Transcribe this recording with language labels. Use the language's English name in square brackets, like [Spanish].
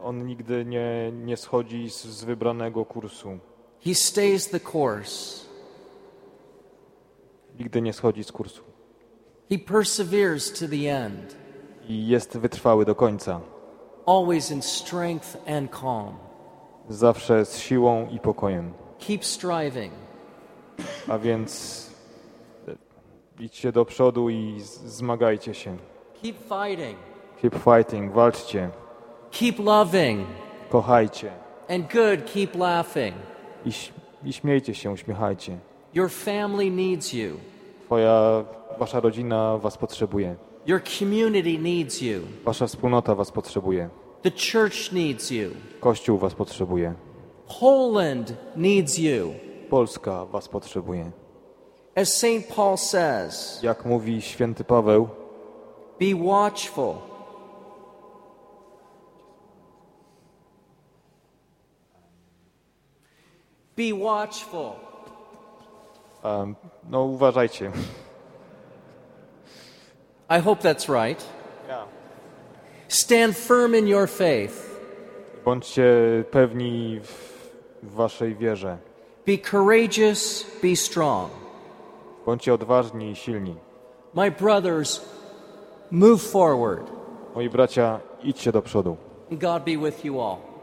[Polish] On nigdy nie schodzi z wybranego kursu. [English] He stays the course. [Polish] Nigdy nie schodzi z kursu. [English] He perseveres to the end. [Polish] I jest wytrwały do końca. [English] Always in strength and calm. [Polish] Zawsze z siłą i pokojem. [English] Keep striving. [Polish] A więc idźcie do przodu i zmagajcie się. [English] Keep fighting. Keep fighting, [Polish] walczcie. [English] Keep loving. [Polish] Kochajcie. [English] And good, keep laughing. [Polish] I śmiejcie się, uśmiechajcie. [English] Your family needs you. [Polish] Wasza rodzina was potrzebuje. [English] Your community needs you. [Polish] Wasza wspólnota was potrzebuje. [English] The church needs you. [Polish] Kościół was potrzebuje. [English] Poland needs you. [Polish] Polska was potrzebuje. [English] As Saint Paul says. [Polish] Jak mówi Święty Paweł. [English] Be watchful. Be watchful. [Polish] No uważajcie. [English] I hope that's right. Yeah. Stand firm in your faith. [Polish] Bądźcie pewni w waszej wierze. [English] Be courageous, be strong. [Polish] Bądźcie odważni i silni. [English] My brothers, move forward. [Polish] Moi bracia, idźcie do przodu. [English] God be with you all.